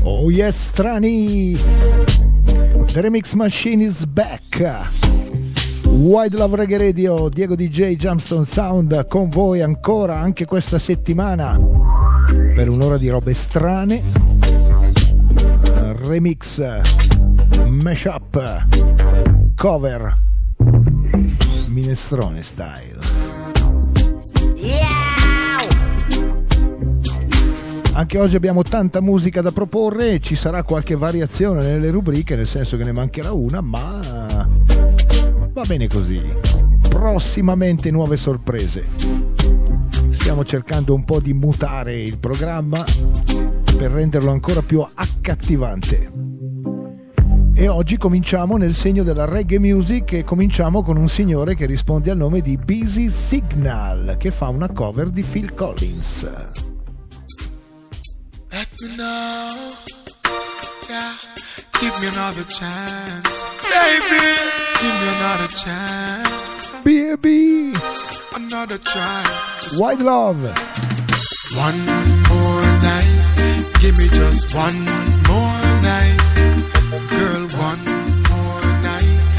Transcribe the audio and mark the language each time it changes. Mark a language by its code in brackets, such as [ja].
[en] Yes, Trani, the remix machine is back. [it] Wide Love Reggae Radio, Diego DJ, Jamstone Sound con voi ancora anche questa settimana per un'ora di robe strane, remix, mashup, cover, minestrone style. Anche oggi abbiamo tanta musica da proporre, ci sarà qualche variazione nelle rubriche, nel senso che ne mancherà una, ma va bene così. Prossimamente nuove sorprese. Stiamo cercando un po' di mutare il programma per renderlo ancora più accattivante. E oggi cominciamo nel segno della reggae music e cominciamo con un signore che risponde al nome di Busy Signal, che fa una cover di Phil Collins. [en] Let me know, yeah. Give me another chance, baby. Give me another chance, baby. Another try. White love. One more night. Give me just one more night. Girl, one more night.